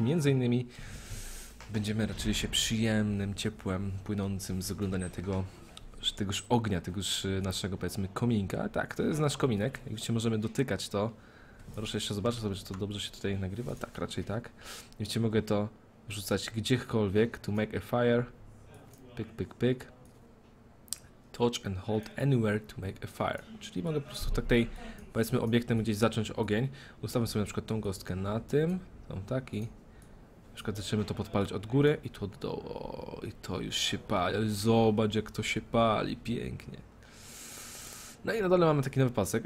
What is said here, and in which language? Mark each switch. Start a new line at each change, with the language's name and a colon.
Polish: Między innymi będziemy raczyli się przyjemnym ciepłem płynącym z oglądania tegoż ognia, tegoż naszego, powiedzmy, kominka. Tak, to jest nasz kominek. Jak widzicie, możemy dotykać to. Proszę jeszcze zobaczyć sobie, czy to dobrze się tutaj nagrywa. Tak, raczej tak. Jak widzicie, mogę to rzucać gdziekolwiek.
English: To make a fire. Pyk, pyk, pyk. Touch and hold anywhere to make a fire.
Polish: Czyli mogę po prostu tak tej, powiedzmy, obiektem gdzieś zacząć ogień. Ustawmy sobie na przykład tą gąstkę na tym. Tą tak i na przykład zaczniemy to podpalić od góry i tu od dołu. O, i to już się pali. Zobacz, jak to się pali. Pięknie. No i na dole mamy taki nowy pasek.